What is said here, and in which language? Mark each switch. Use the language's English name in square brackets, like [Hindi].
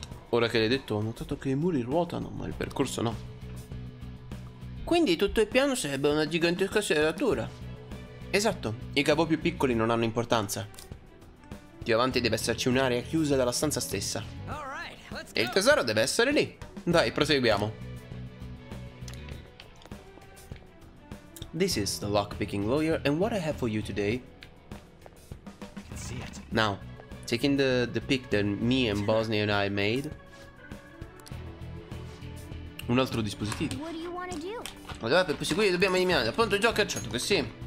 [Italian] Ora che l'hai detto, ho notato che i muri ruotano, ma il percorso no. Quindi tutto il piano sarebbe una gigantesca serratura. Esatto, i cavo più piccoli non hanno importanza. Più avanti deve esserci un'area chiusa dalla stanza stessa. E il tesoro deve essere lì. Dai, proseguiamo. [English] This is the lockpicking lawyer, and what I have for you today. Now, taking the pick that me and Bosnia and I made. [Italian] Un altro dispositivo. Ma dove per proseguire dobbiamo eliminare appunto il Joker, certo che sì.